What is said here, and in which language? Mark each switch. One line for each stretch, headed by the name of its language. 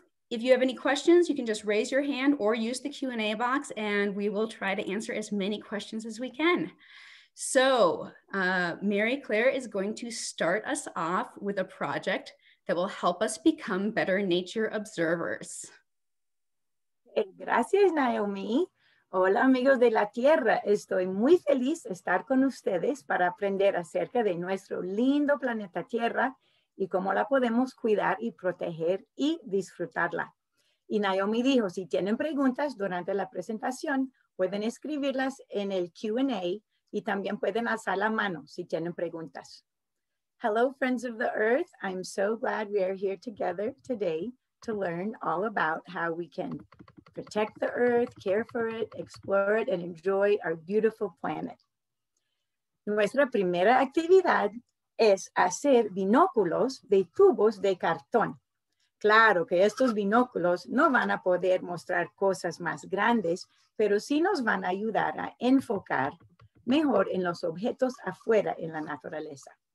English: If you have any questions, you can just raise your hand or use the Q&A box and we will try to answer as many questions as we can. So Mary Claire is going to start us off with a project that will help us become better nature observers.
Spanish: Gracias, Naomi. Hola, amigos de la Tierra. Estoy muy feliz de estar con ustedes para aprender acerca de nuestro lindo planeta Tierra y cómo la podemos cuidar y proteger y disfrutarla. Y Naomi dijo, si tienen preguntas durante la presentación, pueden escribirlas en el Q&A y también pueden alzar la mano si tienen preguntas.
English: Hello, friends of the Earth. I'm so glad we are here together today to learn all about how we can protect the earth, care for it, explore it, and enjoy our beautiful planet.
Spanish: Nuestra primera actividad es hacer binóculos de tubos de cartón. Claro que estos binóculos no van a poder mostrar cosas más grandes, pero sí nos van a ayudar a enfocar mejor en los objetos afuera en la naturaleza.